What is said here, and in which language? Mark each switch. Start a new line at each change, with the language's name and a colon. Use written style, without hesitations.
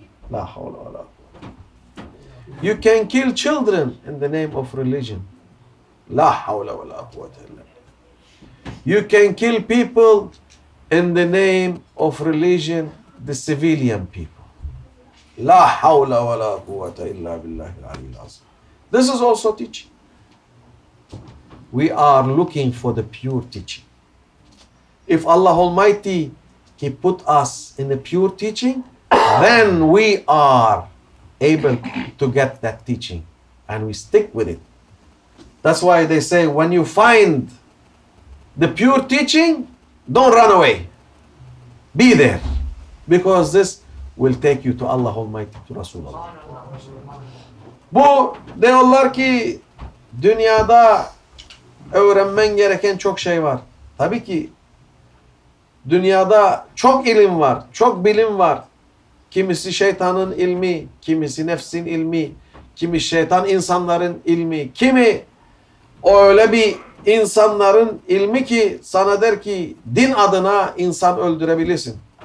Arabic: La hawla wala quwwata.
English: You can kill children in the name of religion.
Arabic: La hawla wala quwwata illa billah.
English: You can kill people in the name of religion, the civilian people.
Arabic: لا حول ولا قوة إلا بالله العلي العظيم.
English: This is also teaching. We are looking for the pure teaching. If Allah Almighty He put us in a pure teaching, then we are able to get that teaching, and we stick with it. That's why they say when you find the pure teaching, don't run away. Be there, because this will take you to Allah Almighty, to Rasulullah.
Turkish: Bu diyorlar ki dünyada öğrenmen gereken çok şey var. Tabii ki dünyada çok ilim var, çok bilim var. Kimisi şeytanın ilmi, kimisi nefsin ilmi, kimi şeytan insanların ilmi, kimi öyle bir insanların ilmi ki sana der ki din adına insan öldürebilirsin.